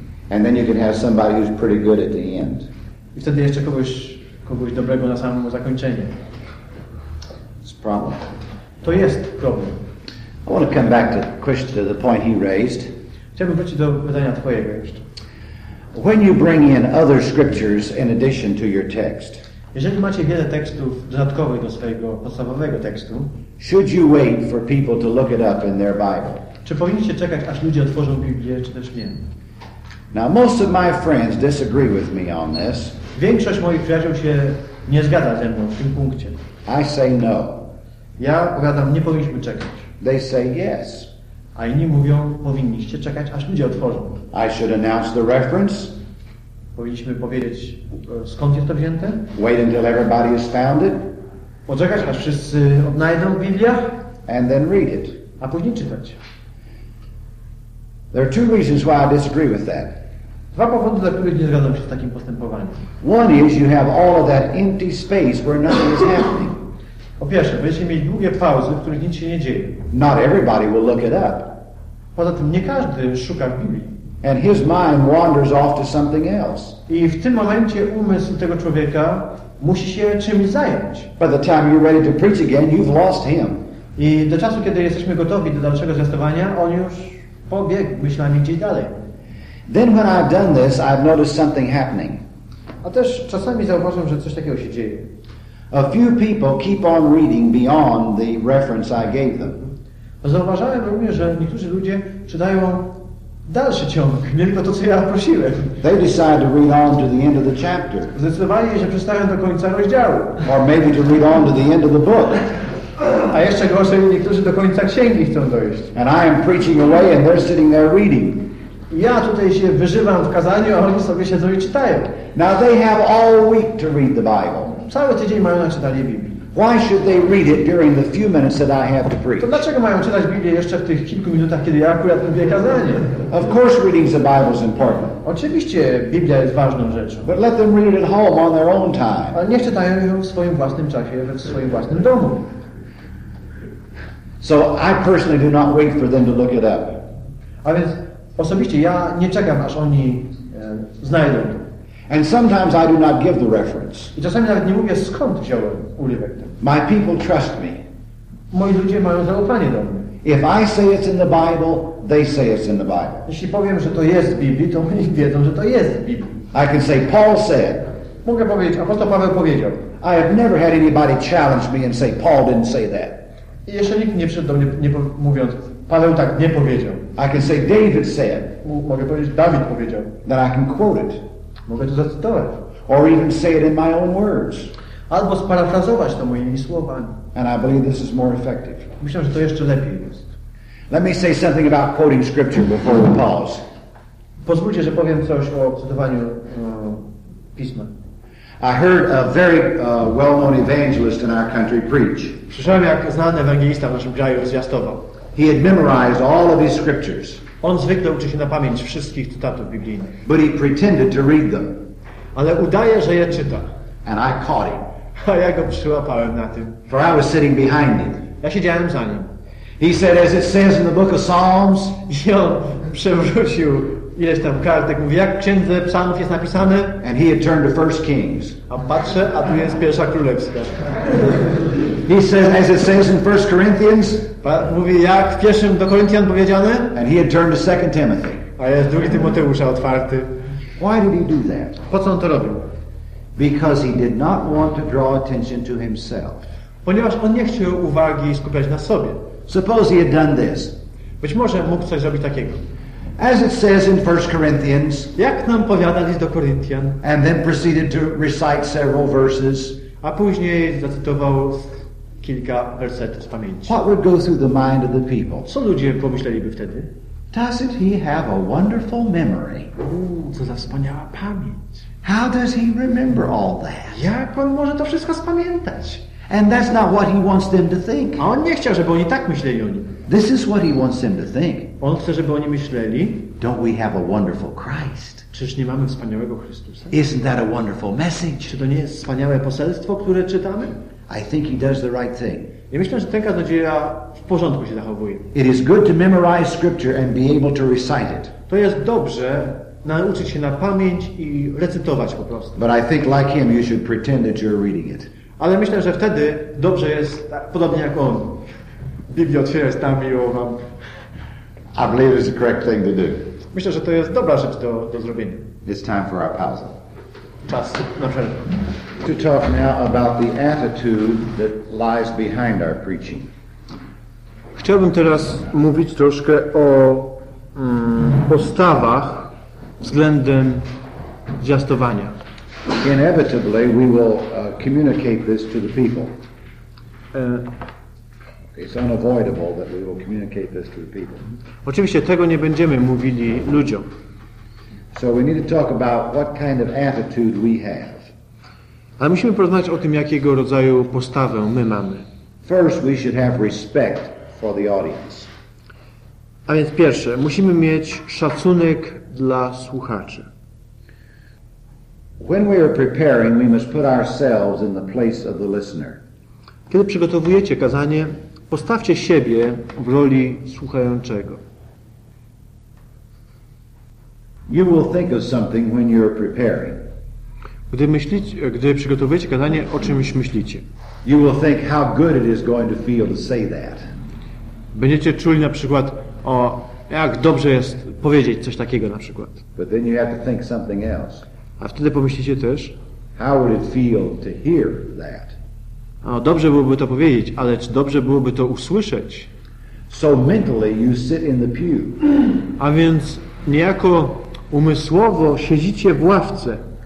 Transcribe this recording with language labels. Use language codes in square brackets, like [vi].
[en] And then you can have somebody who's pretty good at the end. [pl] I wtedy jeszcze kogoś dobrego na samym zakończeniu. [en] It's a problem. [pl] To jest problem. [en] I want to come back to Krishna, the point he raised. [pl] Chciałbym wrócić do pytania twojego jeszcze. [en] When you bring in other scriptures in addition to your text, [pl] jeżeli macie wiele tekstów dodatkowych do swojego podstawowego tekstu, [en] should you wait for people to look it up in their Bible? [pl] Czy powinniście czekać, aż ludzie otworzą Biblię, czy też nie? [en] Now, most of my friends disagree with me on this. [pl] Większość moich przyjaciół się nie zgadza ze mną w tym punkcie. [en] I say no. [pl] Ja powiadam, nie powinniśmy czekać. [en] They say yes. [pl] A inni mówią, powinniście czekać, aż ludzie otworzą. [en] I should announce the reference. [pl] Powinniśmy powiedzieć, skąd jest to wzięte. [en] Wait until everybody has found it. [pl] Poczekać, aż wszyscy odnajdą w Bibliach. [en] And then read it. [pl] A później czytać. [en] There are two reasons why I disagree with that. [pl] Dwa powody, dla których nie zgadzam się z takim postępowaniem. [en] One is you have all of that empty space where nothing is happening. [pl] Po pierwsze, będziecie mieć długie pauzy, w których nic się nie dzieje. [en] Not everybody will look it up. [pl] Poza tym nie każdy szuka w Biblii. [en] And his mind wanders off to something else. [pl] I w tym momencie umysł tego człowieka musi się czymś zająć. [en] By the time you're ready to preach again, you've lost him. [pl] I do czasu, kiedy jesteśmy gotowi do dalszego zwiastowania, on już pobiegł myślami gdzieś dalej. [en] Then when I've done this, I've noticed something happening. [pl] A też czasami zauważam, że coś takiego się dzieje. [en] A few people keep on reading beyond the reference I gave them. [pl] Zauważyłem również, że niektórzy ludzie czytają dalszy ciąg, nie tylko to, co ja prosiłem. [en] They decide to read on to the end of the chapter. [pl] Zdecydowali, że przeczytają do końca rozdziału. [en] Or maybe to read on to the end of the book. [pl] A jeszcze gorzej, niektórzy do końca księgi chcą dojść. [en] And I am preaching away and they're sitting there reading. [pl] Ja tutaj się wyżywam w kazaniu, a oni sobie siedzą i czytają. [en] Now they have all week to read the Bible. [pl] Cały tydzień mają na czytanie Biblii. [en] Why should they read it during the few minutes that I have to preach? [pl] To dlaczego mają czytać Biblię jeszcze w tych kilku minutach, kiedy ja akurat mówię kazanie? [en] Of course reading the Bible is important. [pl] Oczywiście Biblia jest ważną rzeczą. [en] But let them read it at home on their own time. [pl] Ale niech czytają ją w swoim własnym czasie, w swoim własnym domu. [en] So I personally do not wait for them to look it up. [pl] A więc osobiście ja nie czekam, aż oni znajdą. [en] And sometimes I do not give the reference. [pl] I czasami nawet nie mówię, skąd wziąłem urywek ten. [en] My people trust me. [pl] Moi ludzie mają zaufanie do mnie. [en] If I say it's in the Bible, they say it's in the Bible. [pl] Jeśli powiem, że to jest w Biblii, to oni wiedzą, że to jest w Biblii. [en] I can say, Paul said. [pl] Mogę powiedzieć, apostoł Paweł powiedział. [en] I have never had anybody challenge me and say, Paul didn't say that. [pl] I jeszcze nikt nie przyszedł do mnie, nie mówiąc, Paweł tak nie powiedział. [en] I can say, David said. [pl] Mogę powiedzieć, Dawid powiedział. [en] That I can quote it. [pl] Mogę to zacytować. [en] Or even say it in my own words. [pl] Albo sparafrazować to moimi słowami. [en] And I believe this is more effective. [pl] Myślę, że to jeszcze lepiej jest. [en] Let me say something about quoting scripture before we pause. [pl] Pozwólcie, że powiem coś o cytowaniu pisma. [en] I heard a very well-known evangelist in our country preach. [pl] Słyszałem, jak znany ewangelista w naszym kraju zwiastował. [en] He had memorized all of his scriptures. [pl] On zwykle uczy się na pamięć wszystkich cytatów biblijnych. [en] But he pretended to read them. [pl] Ale udaje, że je czyta. [en] And I caught him. [pl] A ja go przyłapałem na tym. [en] For I was sitting behind him. [pl] Ja siedziałem za nim. [en] He said, as it says in the book of Psalms. [pl] I on przewrócił ileś tam kartek. Mówi, jak w Księdze Psalmów jest napisane. [en] And he had turned to 1 Kings. [pl] A patrzę, a tu jest Pierwsza Królewska. [en] He says, as it says in 1 Corinthians. [pl] Mówi, jak w pierwszym do Koryntian powiedziane. [en] And he had turned to 2 Timothy. [pl] A jest drugi Tymoteusza otwarty. [en] Why did he do that? [pl] Po co on to robił? [en] Because he did not want to draw attention to himself. [pl] Ponieważ on nie chciał uwagi skupiać na sobie. [en] Suppose he had done this. [pl] Być może mógł coś zrobić takiego. [en] As it says in 1 Corinthians. [pl] Jak nam powiada list do Koryntian. [en] And then proceeded to recite several verses. [pl] A później zacytował kilka wersetów z pamięci. [en] What would go through the mind of the people? [pl] Co ludzie pomyśleliby wtedy? [en] Doesn't he have a wonderful memory? [pl] Co za wspaniała pamięć. [en] How does he remember all that? [pl] Jak on może to wszystko spamiętać? [en] And that's not what he wants them to think. [pl] A on nie chciał, żeby oni tak myśleli o nim. [en] This is what he wants them to think. [pl] On chce, żeby oni myśleli. [en] Don't we have a wonderful Christ? [pl] Czyż nie mamy wspaniałego Chrystusa? [en] Isn't that a wonderful message? [pl] Czy to nie jest wspaniałe poselstwo, które czytamy? [en] I think he does the right thing. [pl] Ja myślę, że ten kaznodzieja w porządku się zachowuje. [en] It is good to memorize scripture and be able to recite it. [pl] To jest dobrze nauczyć się na pamięć i recytować po prostu. [en] But I think like him you should pretend that you're reading it. [pl] Ale myślę, że wtedy dobrze jest tak, podobnie jak on. Biblię otwierać tam i ją wam. [en] I believe it's the correct thing to do. [pl] Myślę, że to jest dobra rzecz do zrobienia. [en] It's time for our pause. [pl] Czas na przerwę. [en] To talk now about the attitude that lies behind our preaching. [pl] Chciałbym teraz mówić troszkę o postawach względem zwiastowania. [en] Inevitably we will communicate this to the people. It's unavoidable that we will communicate this to the people. [pl] Oczywiście tego nie będziemy mówili ludziom. [en] So we need to talk about what kind of attitude we have. [pl] Ale musimy porozmawiać o tym, jakiego rodzaju postawę my mamy. [en] First we should have respect for the audience. [pl] A więc pierwsze, musimy mieć szacunek dla słuchaczy. [en] When we are preparing, we must put ourselves in the place of the listener. [pl] Kiedy przygotowujecie kazanie, postawcie siebie w roli słuchającego. [en] You will think of something when you are preparing. [pl] Gdy przygotowujecie kazanie, o czymś myślicie. [en] You will think how good it is going to feel to say that. [pl] Będziecie czuli na przykład o jak dobrze jest powiedzieć coś takiego na przykład. [en] But then you have to think something else. [pl] A wtedy pomyślicie też, [en] how would it feel to hear that? [pl] No, dobrze byłoby to powiedzieć, ale czy dobrze byłoby to usłyszeć? [en] So mentally you sit in the pew. [pl] A więc niejako umysłowo siedzicie w ławce.